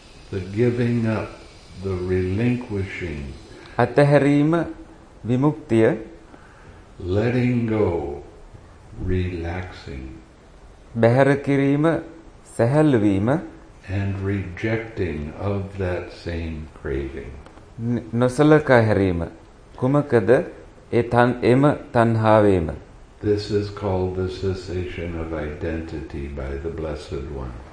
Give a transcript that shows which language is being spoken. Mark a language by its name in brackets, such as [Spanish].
[English] The giving up, the relinquishing. [Sinhala] අතහැරීම, විමුක්තිය. [English] Letting go, relaxing. [Sinhala] බැහැර කිරීම, සැහැල්ලුවීම. [English] And rejecting of that same craving. [Sinhala] නොසලකා හැරීම කුමකද ඒ තන් එම තණ්හාවේම. [English] This is called the cessation of identity by the Blessed One.